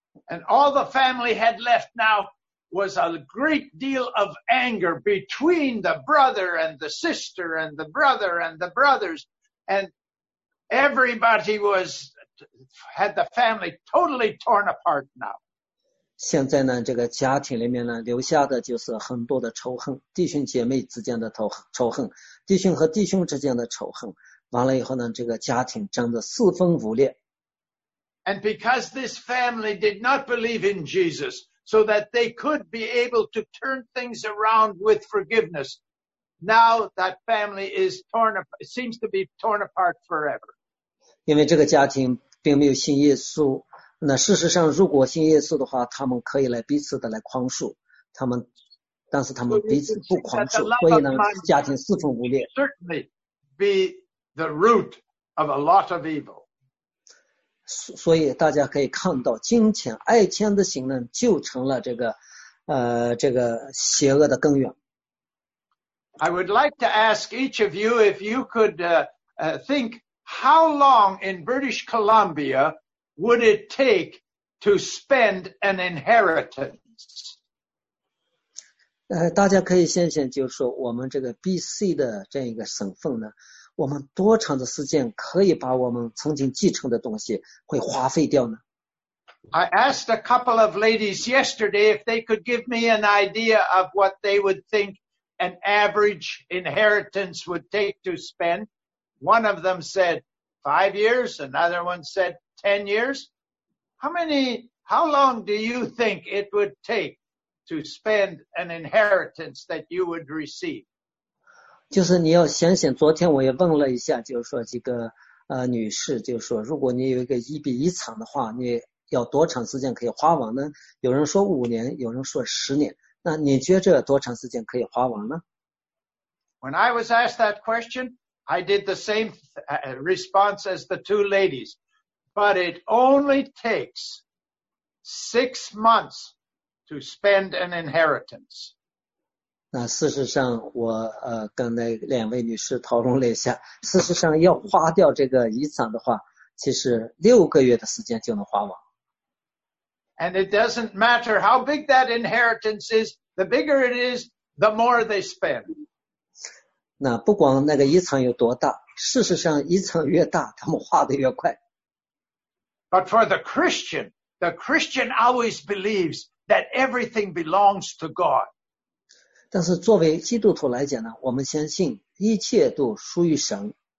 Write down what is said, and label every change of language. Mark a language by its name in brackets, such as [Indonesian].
[English] And all the family had left now was a great deal of anger between the brother and the sister and the brother and the brothers, and everybody was. Had the family totally torn apart now. [Chinese] 现在呢，这个家庭里面呢，留下的就是很多的仇恨，弟兄姐妹之间的仇恨，弟兄和弟兄之间的仇恨。完了以后呢，这个家庭真的四分五裂。 [English] And because this family did not believe in Jesus, so that they could be able to turn things around with forgiveness, now that family is torn up, seems to be torn apart forever. [Chinese] 因为这个家庭并没有信耶稣，那事实上，如果信耶稣的话，他们可以来彼此的来宽恕他们，但是他们彼此不宽恕，所以呢，家庭四分五裂。 [English] Certainly, be the root of a lot of evil. [Chinese] 所以大家可以看到，金钱、爱钱的行呢，就成了这个，这个邪恶的根源。 [English] I would like to ask each of you if you could think. How long in British Columbia would it take to spend an inheritance? [Chinese] 大家可以想想，就是说我们这个 BC 的这样一个省份呢，我们多长的时间可以把我们曾经继承的东西会花费掉呢？ [English] I asked a couple of ladies yesterday if they could give me an idea of what they would think an average inheritance would take to spend. One of them said 5 years, another one said 10 years. How long do you think it would take to spend an inheritance that you would receive? [Chinese] 就是你要想想，昨天我也问了一下，就是说这个女士，就是说如果你有一个一笔遗产的话，你要多长时间可以花完呢？有人说5年，有人说10年，那你觉着多长时间可以花完呢？ [English] When I was asked that question,I did the same response as the two ladies, but it only takes 6 months to spend an inheritance. [Chinese] 那事实上我跟那两位女士讨论了一下，事实上要花掉这个遗产的话，其实6个月的时间就能花完。 [English] And it doesn't matter how big that inheritance is, the bigger it is, the more they spend. [Chinese] 那不管那个遗产有多大，事实上遗产越大，他们花得越快。 [English] But for the Christian always believes that everything belongs to God. [Chinese] 但是作为基督徒来讲呢，我们相信一切都属于神。